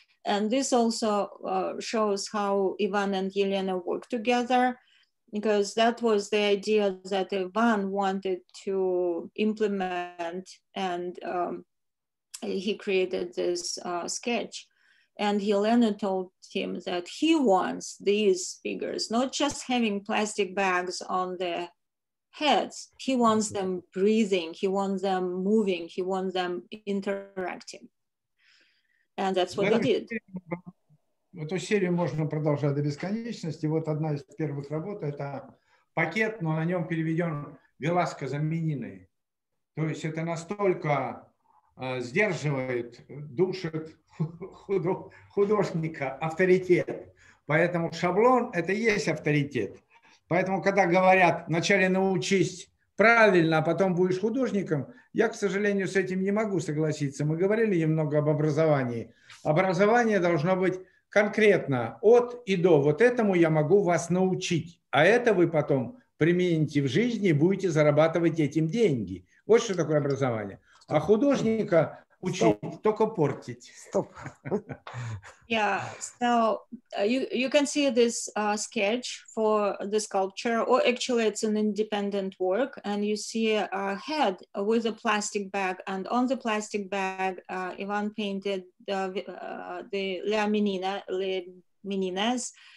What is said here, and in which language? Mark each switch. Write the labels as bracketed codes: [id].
[en] And this also shows how Ivan and Yelena work together, because that was the idea that Ivan wanted to implement, and he created this sketch. And Yelena told him that he wants these figures, not just having plastic bags on their heads, he wants them breathing, he wants them moving, he wants them interacting. And that's what they did. [ru] Эту серию можно продолжать до бесконечности. Вот одна из первых работ – это пакет, но на нем переведен Веласко Заменины. То есть это настолько сдерживает, душит художника авторитет. Поэтому шаблон – это и есть авторитет. Поэтому, когда говорят, вначале научись правильно, а потом будешь художником, я, к сожалению, с этим не могу согласиться. Мы говорили немного об образовании. Образование должно быть конкретно от и до. Вот этому я могу вас научить. А это вы потом примените в жизни и будете зарабатывать этим деньги. Вот что такое образование. А художника учить [en] Stop. [ru] Только портить. Стоп. [en] Yeah, so you can see this sketch for the sculpture, or actually it's an independent work, and you see a head with a plastic bag, and on the plastic bag Ivan painted the Ляминина, Ляминес,